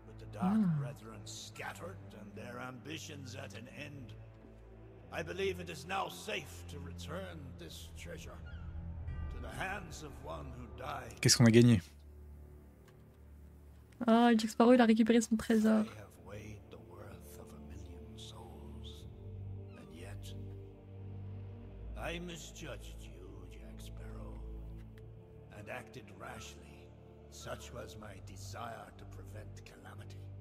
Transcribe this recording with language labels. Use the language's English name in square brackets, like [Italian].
[English] Dark brethren scattered and their ambitions at an end. I believe it is now safe to return this treasure to the hands of one who died. [French] Qu'est-ce qu'on a gagné? Ah, oh, il a disparu, il a récupéré son trésor. [English] I have weighed the worth of a million souls, and yet I misjudged you, Jack Sparrow, and acted rashly. Such was my desire to prevent calamity.